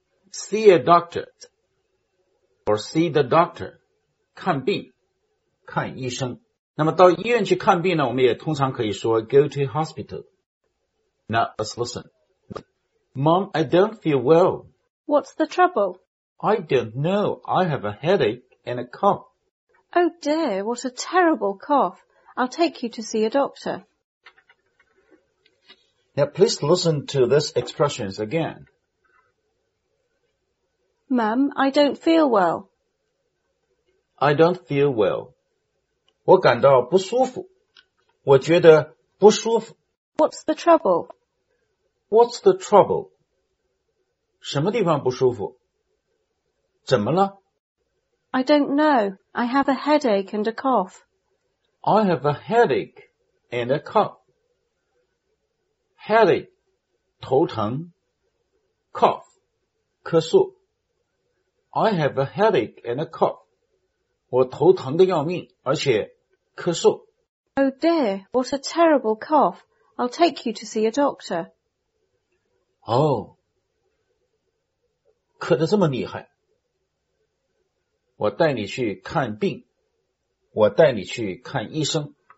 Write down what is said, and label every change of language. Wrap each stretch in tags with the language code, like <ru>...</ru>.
<en>see a doctor, or see the doctor,</en> <zh>看病，看医生。那么到医院去看病呢，我们也通常可以说</zh> <en>go to hospital. Now, let's listen. Mom, I don't feel well. What's the trouble? I don't know. I have a headache and a cough. Oh dear, what a terrible cough. I'll take you to see a doctor. Now, please listen to these expressions again. Mom, I don't feel well. I don't feel well.</en> <zh>我感到不舒服，我觉得不舒服。</zh> <en>What's the trouble? What's the trouble?</en> <zh>什么地方不舒服？怎么了？</zh> <en>I don't know. I have a headache and a cough. I have a headache and a cough.</en> <zh>Headache, 头疼。 Cough, 咳嗽。</zh> <en>I have a headache and a cough.</en> <zh>我头疼得要命，而且咳嗽。</zh> <en>Oh dear, what a terrible cough. I'll take you to see a doctor.</en> <zh>Oh, 咳得这么厉害。我带你去看病。我带你去看医生。</zh>